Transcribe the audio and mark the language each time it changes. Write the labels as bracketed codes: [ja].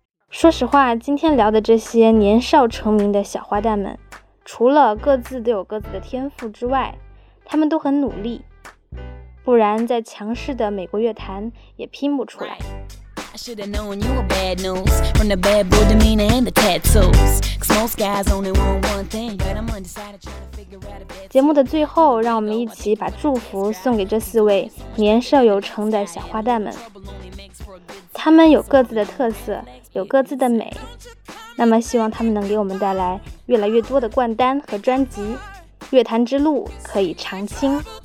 [zh] 说实话，今天聊的这些年少成名的小花旦们，除了各自都有各自的天赋之外，他们都很努力，不然在强势的美国乐坛也拼不出来。 [en] I should have known you were bad news from the bad boy demeanor and the tattoos. Cause most guys only want one thing, but I'm undecided trying to figure out a bad. [zh] 节目的最后，让我们一起把祝福送给这四位年少有成的小花旦们。他们有各自的特色，有各自的美。那么，希望他们能给我们带来越来越多的冠单和专辑，乐坛之路可以长青。